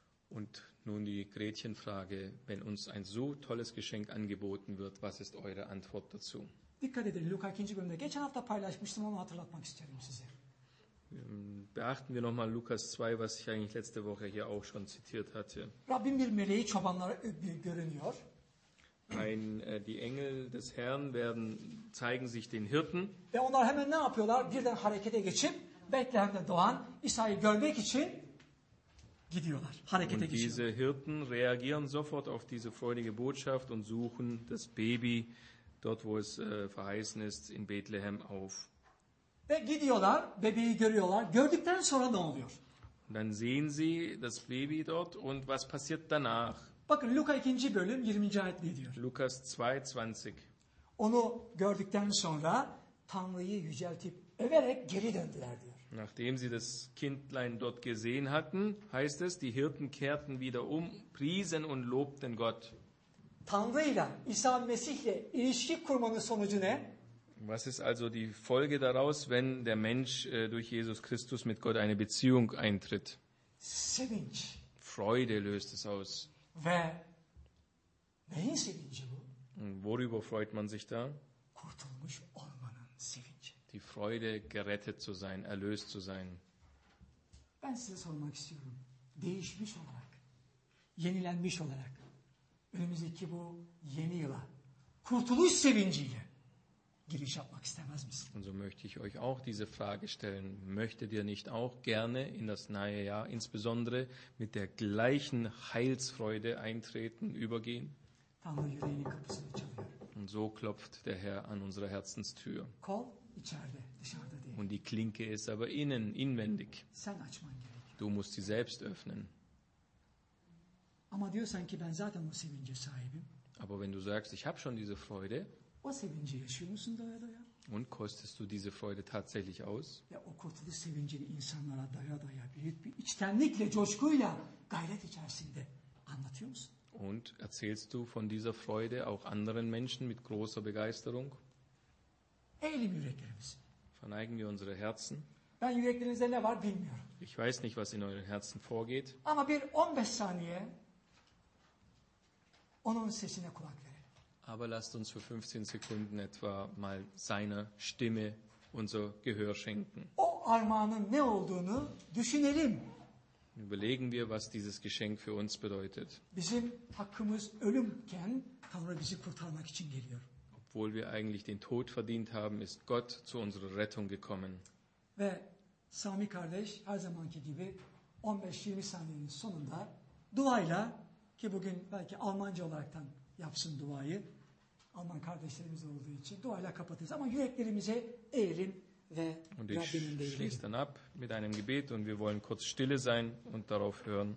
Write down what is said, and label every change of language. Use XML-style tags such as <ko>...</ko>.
<de>Und nun die Gretchenfrage, wenn uns ein so tolles Geschenk angeboten wird, was ist eure Antwort dazu?</de> <tr>Dikkat edin, Luka 2. bölümde geçen hafta paylaşmıştım ama hatırlatmak isterim size.</tr> <de>Beachten wir nochmal Lukas 2, was ich eigentlich letzte Woche hier auch schon zitiert hatte.</de> <tr>Rabbin bir meleği çobanlara görünüyor.</tr> <de>Die Engel des Herrn werden zeigen sich den Hirten.</de> <tr>Ve onlar hemen ne yapıyorlar? Birden harekete geçip Bethlehem'de doğan İsa'yı görmek için gidiyorlar. Harekete geçiyorlar.</tr> <de>Und diese Hirten reagieren sofort auf diese freudige Botschaft und suchen das Baby dort, wo es verheißen ist, in Bethlehem auf.</de> <tr>Ve gidiyorlar, bebeği görüyorlar. Gördükten sonra ne oluyor?</tr> <de>Dann sehen sie das Baby dort und was passiert danach?</de> <tr>Bakın Luka 2. bölüm 20. ayet ne diyor?</tr> <de>Lukas 2:20.</de> <tr>Onu gördükten sonra Tanrı'yı yüceltip överek geri döndüler diyor.</tr> <de>Nachdem sie das Kindlein dort gesehen hatten, heißt es, die Hirten kehrten wieder um, priesen und lobten Gott.</de> <tr>Tanrı'yla, İsa Mesih'le ilişki kurmanın sonucu ne?</tr> <de>Was ist also die Folge daraus, wenn der Mensch durch Jesus Christus mit Gott eine Beziehung eintritt?</de> <tr>Sevinç.</tr> <de>Freude löst es aus.</de> <tr>Ve neyin sevinci bu?</tr> <de>Worüber freut man sich da?</de> <tr>Kurtulmuş olmanın sevinci.</tr> <de>Die Freude, gerettet zu sein, erlöst zu sein.</de> <tr>Ben size sormak istiyorum. Değişmiş olarak, yenilenmiş olarak, önümüzdeki bu yeni yıla, kurtuluş sevinciyle giriş yapmak istemez misin?</tr> <de>Und so möchte ich euch auch diese Frage stellen. Möchtet ihr nicht auch gerne in das neue Jahr, insbesondere mit der gleichen Heilsfreude eintreten, übergehen?</de> <tr>Tanrı yüreğinin kapısını çalıyor.</tr> <de>Und so klopft der Herr an unsere Herzenstür.</de> <tr>Kol içeride, dışarıda değil.</tr> <de>Und die Klinke ist aber innen, inwendig.</de> <tr>Sen açman gerekiyor.</tr> <de>Du musst sie selbst öffnen.</de> <tr>Ama diyorsan ki ben zaten o sevince sahibim.</tr> <de>Aber wenn du sagst, ich habe schon diese Freude,</de> <tr>o sevinci yaşıyor musun daya?</tr> <de>Und kostest du diese Freude tatsächlich aus?</de> <tr>Ya o kurtuluş sevincini insanlara daya büyük bir içtenlikle, coşkuyla, gayret içerisinde anlatıyor musun?</tr> <de>Und erzählst du von dieser Freude auch anderen Menschen mit großer Begeisterung?</de> <tr>Eğilim yüreklerimiz.</tr> <de>Verneigen wir unsere Herzen.</de> <tr>Ben yüreklerinizde ne var bilmiyorum.</tr> <de>Ich weiß nicht, was in euren Herzen vorgeht.</de> <tr>Ama bir 15 saniye onun sesine kulak verin.</tr> <de>Aber lasst uns für 15 Sekunden etwa mal seiner Stimme unser Gehör schenken.</de> <tr>O armağanın ne olduğunu düşünelim.</tr> <de>Überlegen wir, was dieses Geschenk für uns bedeutet.</de> <tr>Bizim hakkımız ölümken Tanrı bizi kurtarmak için geliyor.</tr> <de>Obwohl wir eigentlich den Tod verdient haben, ist Gott zu unserer Rettung gekommen.</de> <tr>Ve Sami kardeş her zamanki gibi 15-20 saniyenin sonunda duayla, ki bugün belki Almanca olaraktan yapsın duayı. Alman kardeşlerimiz olduğu için duayla kapatırız ama yüreklerimize eğilin ve Rabbimin deyelim.</tr> <de>Schließt dann ab mit einem Gebet und wir wollen kurz stille sein und darauf hören.</de>